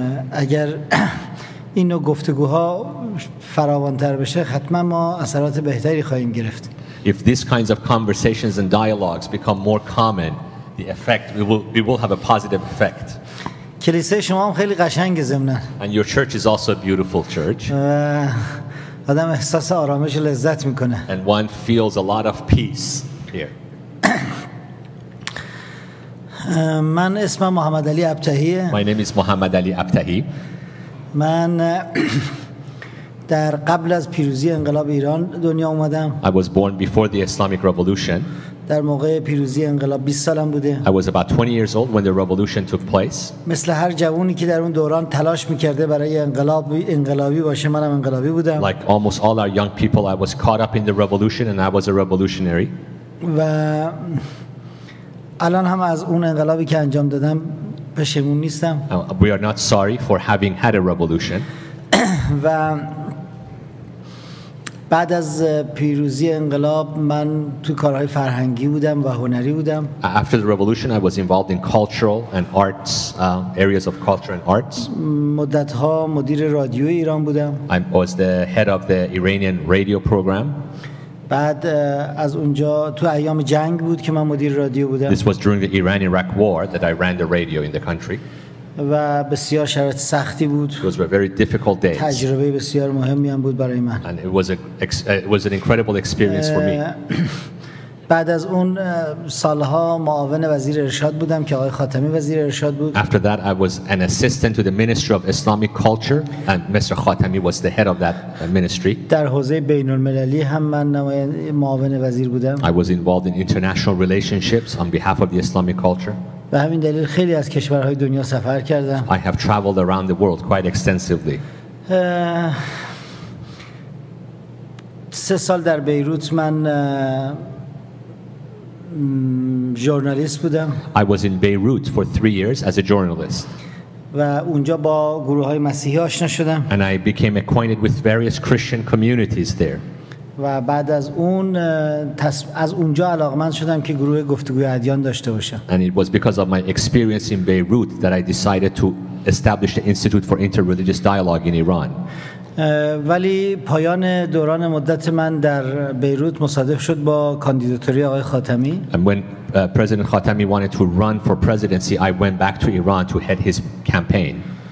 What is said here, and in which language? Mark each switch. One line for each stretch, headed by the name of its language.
Persian: اگر اینو گفتگوها فراوان‌تر بشه حتما ما اثرات بهتری خواهیم گرفت.
English: If these kinds of conversations and dialogues become more common, the effect we will have a positive effect.
Persian: کلیسای شما هم خیلی قشنگه زمنه.
English: And your church is also a beautiful church.
Persian: آدم احساس آرامش و لذت میکنه.
English: And one feels a lot of peace here.
Persian: من اسمم محمد علی ابتهیه.
English: My name is Muhammad Ali Abtahi.
Persian: من در قبل از پیروزی انقلاب ایران دنیا اومدم.
English: I was born before the Islamic Revolution.
Persian: در موقع پیروزی انقلاب 20 سالم بوده.
English: I was about 20 years old when the revolution took place.
Persian: مثل هر جوانی که در اون دوران تلاش می‌کرده برای انقلابی باشه، منم انقلابی بودم.
English: Like almost all our young people, I was caught up in the revolution and I was a revolutionary.
Persian: و الان هم از اون انقلابی که انجام دادم پشیمون نیستم.
English: We are not sorry for having had a revolution.
Persian: و بعد از پیروزی انقلاب من تو کارهای فرهنگی بودم و هنری بودم.
English: After the revolution I was involved in cultural and arts areas of culture and arts.
Persian: مدت‌ها مدیر رادیو ایران بودم.
English: I was the head of the Iranian radio program.
Persian: بعد از اونجا تو ایام جنگ بود که من مدیر رادیو بودم.
English: This was during the Iran-Iraq war that I ran the radio in the country.
Persian: و بسیار شرایط سختی بود.
English: It was a very difficult day.
Persian: تجربه بسیار مهمی هم بود برای من.
English: And it was an incredible experience for me.
Persian: بعد از اون سالها معاون وزیر ارشاد بودم که آقای خاتمی وزیر ارشاد بود.
English: After that I was an assistant to the Minister of Islamic Culture and Mr. Khatami was the head of that ministry.
Persian: در حوزه بین المللی هم من معاون وزیر بودم.
English: I was involved in international relationships on behalf of the Islamic culture.
Persian: به همین دلیل خیلی از کشورهای دنیا سفر کردم.
English: I have traveled around the world quite extensively.
Persian: 3 سال در بیروت من ژورنالیست بودم.
English: I was in Beirut for 3 years as a journalist.
Persian: و اونجا با گروه‌های مسیحی آشنا شدم.
English: And I became acquainted with various Christian communities there.
Persian: و بعد از اون از اونجا علاقمند شدم که گروه گفتگوی ادیان داشته باشم.
English: And it was because of my experience in Beirut that I decided to establish the Institute for Interreligious Dialogue in Iran.
Persian: ولی پایان دوران مدت من در بیروت مصادف شد با کاندیداتوری آقای خاتمی.
English: And when President Khatami wanted to run for presidency, I went back to Iran to head his campaign.